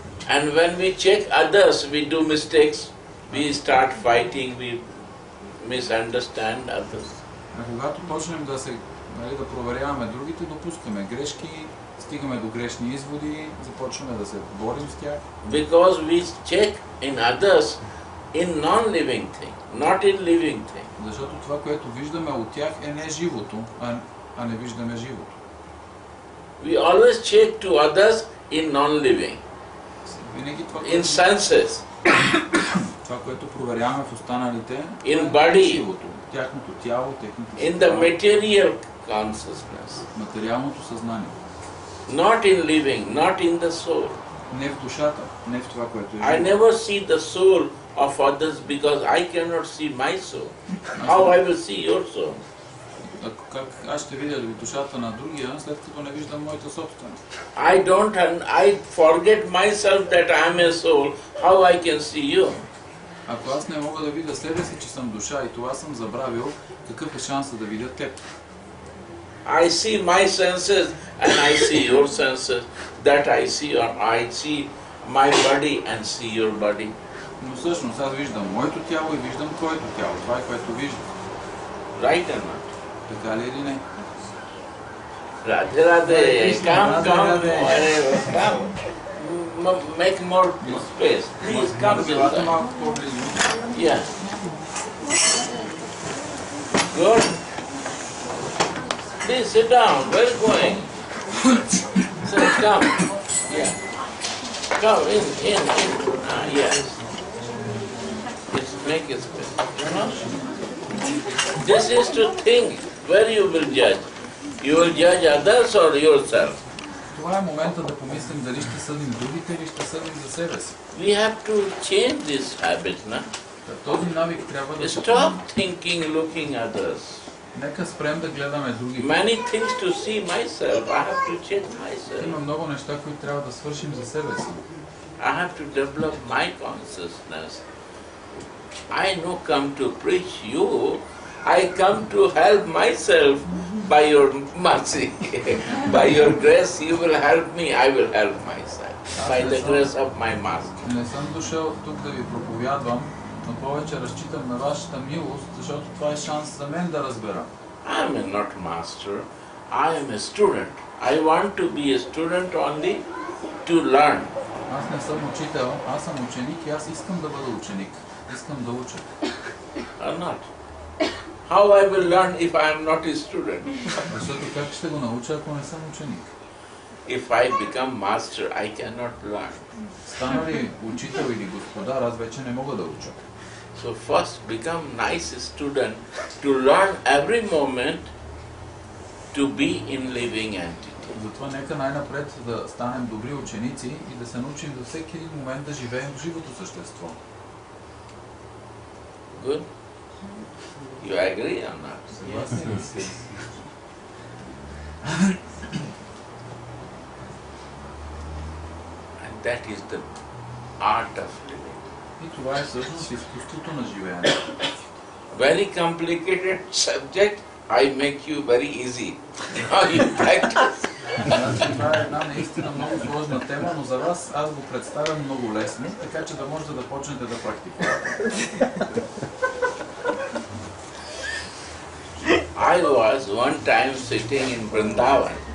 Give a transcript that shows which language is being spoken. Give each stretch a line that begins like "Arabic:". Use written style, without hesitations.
English: And when we check others, we do mistakes, we start fighting, we misunderstand others.
Bulgarian: А когато почнем да се, нали, да проверяваме другите, допускаме грешки, стигаме до грешни изводи, започваме да се борим с тях.
English: Because we check in others in non-living thing, not in living thing.
Bulgarian: Защото това, което виждаме от тях, е не живото, а не виждаме живото.
English: We always check to others in non-living.
Bulgarian: Винаги това,
English: in senses.
Bulgarian: Това, което проверяваме в останалите,
English: in body,
Bulgarian: е живото, тяхното тяло, техните
English: in the material consciousness.
Bulgarian: Материалното съзнание.
English: Not in living, not in the soul.
Bulgarian: Не в душата, не в това, което е.
English: I never see the soul of others because I cannot see my soul. How I will see your soul?
Bulgarian: Как аз ще видя душата на другия, след като не виждам моята собствена?
English: I forget myself that I am a soul. How I can see you?
Bulgarian: Ако аз не мога да видя себе си, че съм душа и това съм забравил, какъв е шанса да видя теб?
English: I see my senses and I see your senses, that I see, or I see my body and see your body.
Bulgarian: Но всъщност аз виждам моето тяло и виждам твоето тяло, това е което виждам.
English: Right or not?
Bulgarian: Така ли или не?
English: Раде, раде, come. Make more space. Please come inside.
Bulgarian: Може малко по-близо?
English: Yes. Good. Please sit down, where going? Sir, come. Yeah. Come, in. Yes. It's make it space. This is to think where you will judge. You will judge others or yourself.
Bulgarian: Това е моментът да помислим дали ще съдим другите или ще съдим за себе си.
English: We have to change this habit, no?
Bulgarian: Този навик трябва да...
English: Stop thinking, looking others.
Bulgarian: Нека спрем да гледаме други.
English: Many things to see myself. I have to change myself.
Bulgarian: Има много неща, които трябва да свършим за себе си.
English: I have to develop my consciousness. I no come to preach you. I come to help myself by your mercy. By your grace, you will help me. I will help myself. By the grace of my master.
Bulgarian: Не съм дошъл тук да ви проповядвам. Но повече разчитам на вашата милост, защото това е шанс за мен да разбера.
English: I am not master, I am a student. I want to be a student only to learn.
Bulgarian: Аз не съм учител, аз съм ученик и аз искам да бъда ученик. Искам да уча.
English: Or not? How I will learn if I am not a student?
Bulgarian: Защото как ще го науча, ако не съм ученик?
English: If I become master, I cannot learn.
Bulgarian: Стана ли учител или господар, аз вече не мога да уча.
English: So first become nice student to learn every moment to be in living entity.
Bulgarian: Затова нека най-напред да станем добри ученици и да се научим до всеки един момент да живеем в живото същество.
English: Good? You agree or not?
Bulgarian: Съгласен си.
English: That is the art of living.
Bulgarian: И това е всъщност изкуството на живеене.
English: Very complicated subject, I make you very easy. Now you practice.
Bulgarian: Това е една наистина много сложна тема, но за вас аз го представям много лесно, така че да можете да почнете да практикувате.
English: I was one time sitting in Vrindavan.